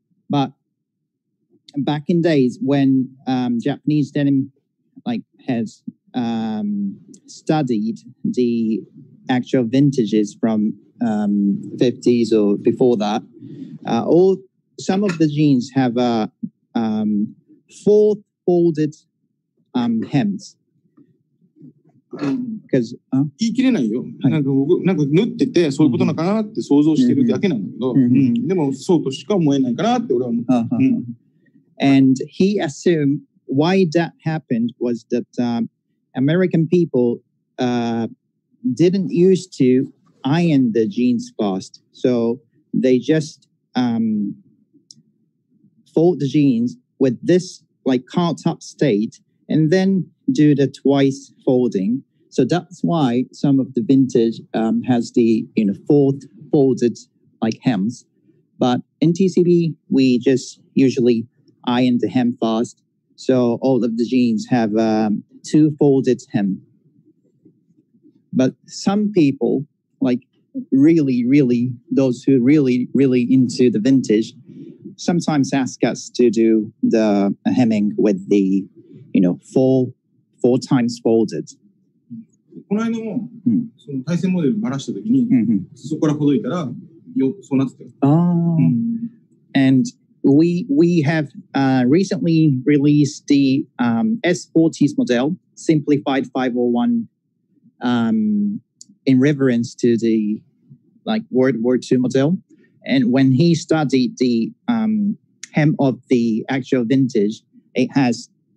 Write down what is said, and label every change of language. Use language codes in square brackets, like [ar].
[en] But back in days when Japanese denim like has studied the actual vintages from 50s or before that, some of the jeans have a fourth folded hems. [ja] 言い切れないよ、はい、なんか縫っててそういうことなのかなって想像してるだけなんだけど、うんうん、でもそうとしか思えないかなって俺は思った、うん、 [en] And he assumed why that happened was that、American people、didn't used to iron the jeans fast so they just、fold the jeans with this like caught up state and thendo the twice folding. So that's why some of the vintage has the, you know, fourth folded like hems. But in TCB, we just usually iron the hem fast. So all of the jeans have two folded hem. But some people, like really, really, those who are really, really into the vintage, sometimes ask us to do the hemming with the, you know, four times folded. [ja] この間もその対戦モデルばらしたときに、そこからほどいたらそうなってた。 [en] And we have recently released the S40s model, simplified 501, in reverence to the like World War II model. And when he studied the hem of the actual vintage, it has.